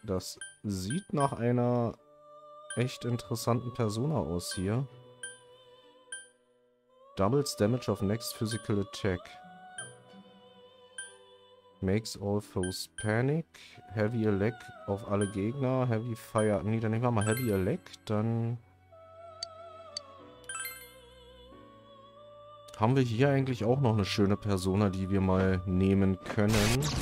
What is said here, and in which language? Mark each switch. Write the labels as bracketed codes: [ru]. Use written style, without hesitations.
[de] Das sieht nach einer echt interessanten Persona aus hier. [en] Doubles Damage of Next Physical Attack. Makes all foes panic. [de] Heavy Elect auf alle Gegner. Heavy Fire. Nee, dann nehmen wir mal Heavy Elect. Dann haben wir hier eigentlich auch noch eine schöne Persona, die wir mal nehmen können.